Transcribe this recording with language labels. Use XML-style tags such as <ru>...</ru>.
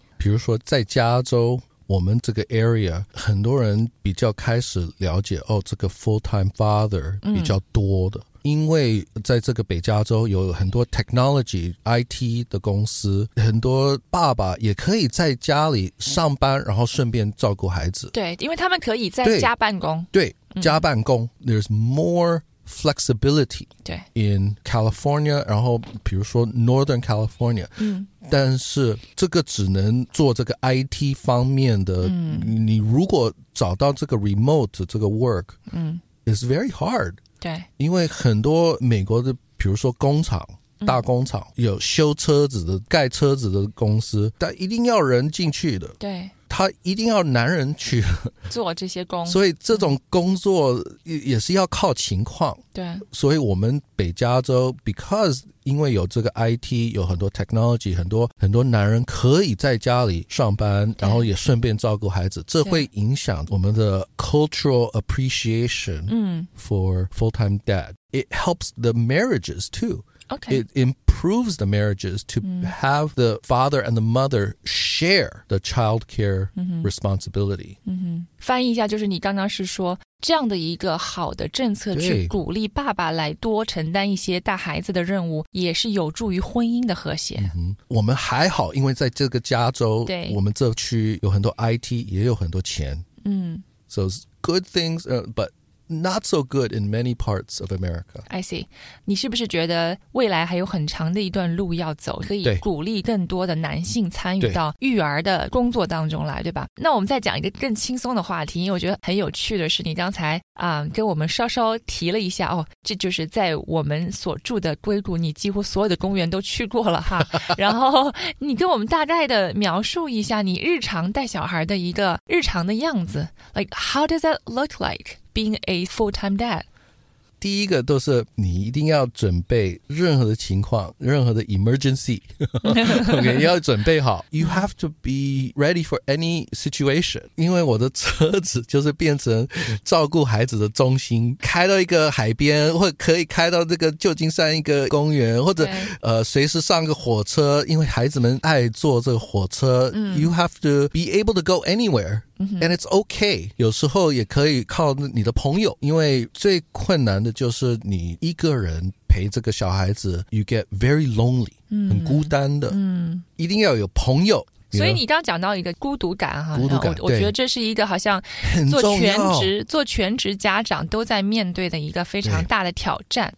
<zh>比如说在加州我们这个 area 很多人比较开始了解，哦，这个</zh> <en>full time father</en> <zh>比较多的、嗯，因为在这个北加州有很多 technology IT 的公司，很多爸爸也可以在家里上班、嗯、然后顺便照顾孩子，对，因为他们可以在家办公，对、嗯、加办公，</zh> <en>There's more flexibility in California，</en> <zh>然后比如说 Northern California、嗯、但是这个只能做这个 IT 方面的、嗯、你如果找到这个 remote 这个 work、嗯、</zh> <en>It's very hard，</en> <zh>对，因为很多美国的比如说工厂、嗯、大工厂、嗯、有修车子的盖车子的公司，但一定要人进去的，对，他一定要男人去做这些工，所以这种工作也是要靠情况、嗯、对，所以我们北加州 because 因为有这个 IT 有很多 technology 很多男人可以在家里上班，然后也顺便照顾孩子，这会影响我们的</zh> <en>cultural appreciation for full time dad. It helps the marriages too. Okay. It improves the marriages to have the father and the mother share the child care responsibility.</en> <zh>翻译一下，就是你刚刚是说这样的一个好的政策去鼓励爸爸来多承担一些带孩子的任务，也是有助于婚姻的和谐、嗯、我们还好，因为在这个加州，对，我们这区有很多 IT 也有很多钱，嗯，</zh> <en>So good things but not so good in many parts of America. I see.</en> <zh>你是不是觉得未来还有很长的一段路要走，可以鼓励更多的男性参与到育儿的工作当中来，对吧？那我们再讲一个更轻松的话题，因为我觉得很有趣的是你刚才跟我们稍稍提了一下，哦，这就是在我们所住的硅谷，你几乎所有的公园都去过了哈。然后你跟我们大概的描述一下你日常带小孩的一个日常的样子。</zh> <en>Like, how does that look like? Being a full-time dad.</en> <zh>第一个都是你一定要准备任何的情况，任何的 emergency. Okay, 要准备好。</zh> <en>You have to be ready for any situation.</en> <zh>因为我的车子就是变成照顾孩子的中心，开到一个海边，或可以开到这个旧金山一个公园，或者随时上个火车，因为孩子们爱坐这个火车。</zh> <en>You have to be able to go anywhere. And it's okay.</en> <zh>有时候也可以靠你的朋友，因为最困难的就是你一个人陪这个小孩子，</zh> <en>you get very lonely,</en> <zh>很孤单的。一定要有朋友。所以你刚刚讲到一个孤独感哈，孤独感，我觉得这是一个好像做全职家长都在面对的一个非常大的挑战。</zh>